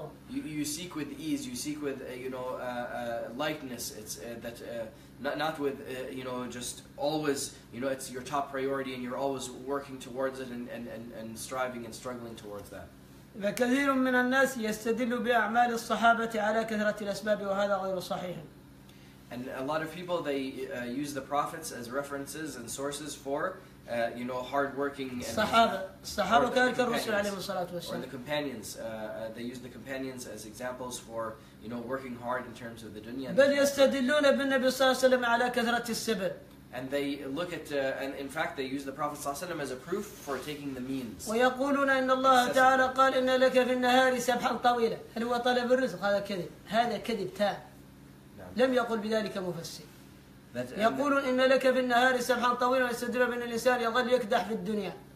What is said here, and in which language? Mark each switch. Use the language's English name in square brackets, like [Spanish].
[English] You seek with ease, you seek with lightness. It's that not with just always it's your top priority and you're always working towards it and striving and struggling towards that. [Arabic] فكثير من الناس يستدل بأعمال الصحابة على كثرة الأسباب وهذا غير صحيح. [English] And a lot of people they use the prophets as references and sources for hardworking [Arabic] الصحابة كذلك الرسل عليهم الصلاة والسلام. [English] Or the companions, they use the companions as examples for working hard in terms of the dunya. [Arabic] بل يستدلون بالنبي صلى الله عليه وسلم على كثرة السبب. [English] And they look at, and in fact, they use the Prophet صلى الله عليه وسلم as a proof for taking the means. [Arabic] ويقولون إن الله تعالى قال إن لك في النهار سبحا طويلة. هل هو طلب الرزق؟ هذا كذب. هذا كذب تام. لم يقل بذلك مفسر. يقولون إن لك في النهار سبحا طويلة. يستدل بأن الإنسان يظل يكدح في الدنيا.